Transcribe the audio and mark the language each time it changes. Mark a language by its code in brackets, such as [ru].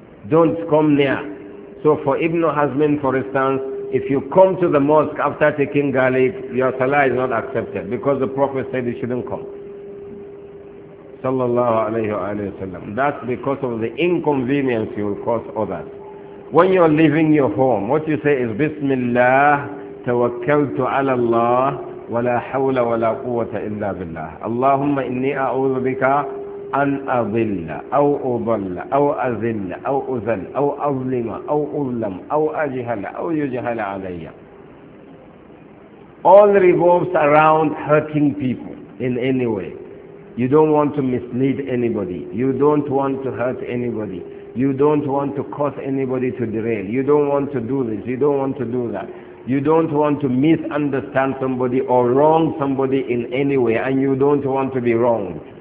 [en] Don't come near. So for Ibn Hazmin, for instance, if you come to the mosque after taking garlic, your salah is not accepted, because the Prophet said you shouldn't come. Sallallahu alayhi wa sallam. That's because of the inconvenience you will cause others. When you're leaving your home, what you say is, Bismillah, tawakkaltu ala Allah, [ar] ولا حول ولا قوة إلا بالله اللهم إني أعوذ بك أن أضل أو أضل أو أذل أو أذل أو أظلم أو أظلم أو أجهل أو يجهل علي. [en] All revolves around hurting people in any way. You don't want to mislead anybody. You don't want to hurt anybody. You don't want to cause anybody to derail. You don't want to do this. You don't want to do that. You don't want to misunderstand somebody or wrong somebody in any way, and you don't want to be wronged.